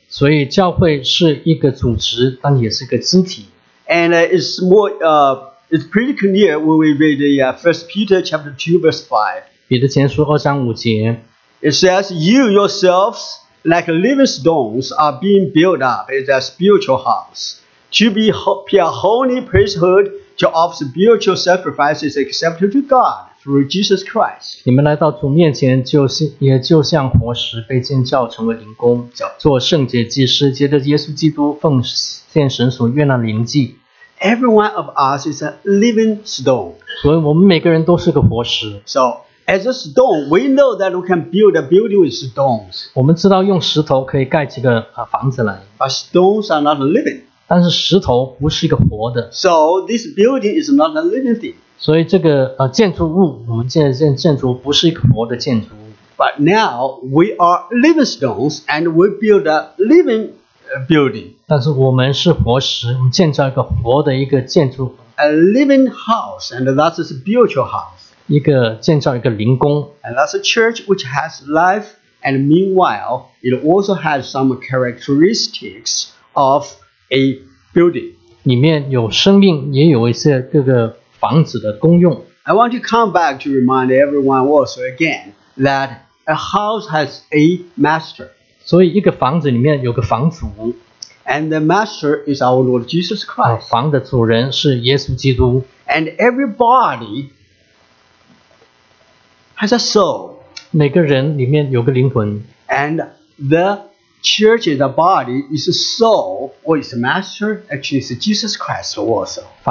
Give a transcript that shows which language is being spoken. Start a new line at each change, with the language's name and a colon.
Chinese: 所以教会是一个组织，但也是个肢体。
English: And it's more, it's pretty clear when we read the First Peter chapter 2 verse 5.
Chinese: 彼得前书二章五节。
English: It says, "You yourselves, like living stones, are being built up as a spiritual house to be a holy priesthood, to offer spiritual sacrifices acceptable to God." Through Jesus Christ,
Chinese: 你们来到主面前，也就像活石被建造成为灵宫，做圣洁祭司，借着耶稣基督奉献神所悦纳的灵祭。
English: Every one of us is a living stone.
Chinese: 所以我们每个人都是个活石。
English: So, as a stone, we know that we can build a building with stones.
Chinese: 我们知道用石头可以盖起个房子来。
English: But stones are not living.
Chinese: 但是石头不是一个活的。
English: So, this building is not a living thing.
Chinese: 所以这个建筑物，我们建的建筑不是一个活的建筑物。
English: But now we are living stones, and we build a living building.
Chinese: 但是我们是活石，我们建造一个活的一个建筑。
English: A living house, and that's a spiritual house.
Chinese: 一个建造一个灵宫。
English: And that's a church which has life, and meanwhile, it also has some characteristics of a building.
Chinese: 里面有生命，也有一些这个房子的功用。
English: I want to come back to remind everyone also again that a house has a master.
Chinese: 所以一个房子里面有个房主。
English: And the master is our Lord Jesus Christ.
Chinese: 房的主人是耶稣基督。
English: And everybody has a soul.
Chinese: 每个人里面有个灵魂。
English: And the church, the body, is a soul, or is a master, actually is Jesus Christ also.